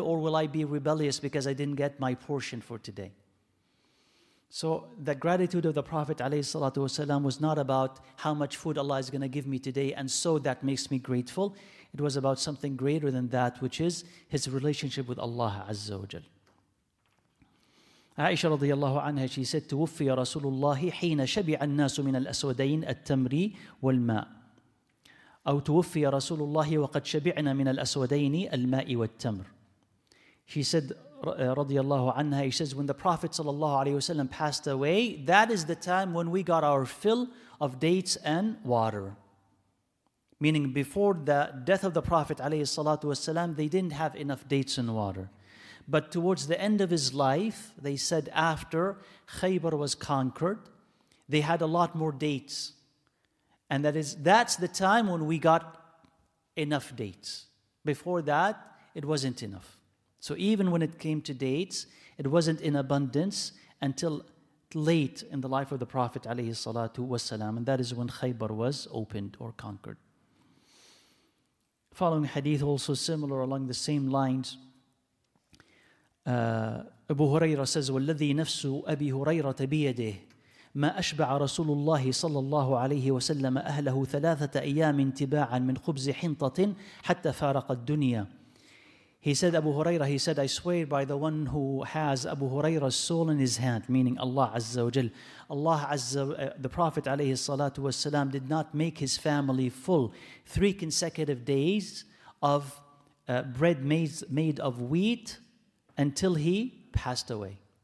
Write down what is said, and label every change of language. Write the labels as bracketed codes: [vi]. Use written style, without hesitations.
[en] Or will I be rebellious because I didn't get my portion for today? So the gratitude of the Prophet alayhi salatu wasalam was not about how much food Allah is going to give me today and so that makes me grateful. It was about something greater than that, which is his relationship with Allah Azza wa Jal. Aisha radiallahu anha, she said, [ar] تُوُفِّيَ رَسُولُ اللَّهِ حِينَ شَبِعَ النَّاسُ مِنَ الْأَسْوَدَيْنِ التَّمْرِي وَالْمَاءِ أَوْ تُوُفِّيَ رَسُولُ اللَّهِ وَقَدْ شَبِعْنَا مِنَ الْأَسْوَدَيْنِ الْمَاءِ وَالْتَّمْرِ. [en] She said, radiallahu anha, he says, when the Prophet sallallahu alayhi wasallam passed away, that is the time when we got our fill of dates and water. Meaning before the death of the Prophet alayhi salatu wasalam, they didn't have enough dates and water. But towards the end of his life, they said after Khaybar was conquered, they had a lot more dates. And that's the time when we got enough dates. Before that, it wasn't enough. So even when it came to dates, it wasn't in abundance until late in the life of the Prophet alayhi salatu wasalam. And that is when Khaybar was opened or conquered. Following hadith also similar along the same lines, Abu Huraira says, [ar] وَالَّذِي نَفْسُ أَبِي هُرَيْرَةَ بِيَدِهِ مَا أَشْبَعَ رَسُولُ اللَّهِ صَلَّى اللَّهُ عَلَيْهِ وَسَلَّمَ أَهْلَهُ ثَلَاثَةَ أَيَّامٍ تِبَاعًا مِنْ خُبْزِ حِنْطَةٍ حَتَّى فَارَقَ الدُّنْيَا. [en] He said, Abu Huraira, he said, I swear by the one who has Abu Huraira's soul in his hand, meaning Allah Azza wa Jal. Allah Azza, the Prophet alayhi salatu wasalam did not make his family full 3 consecutive days of bread made of wheat until he passed away.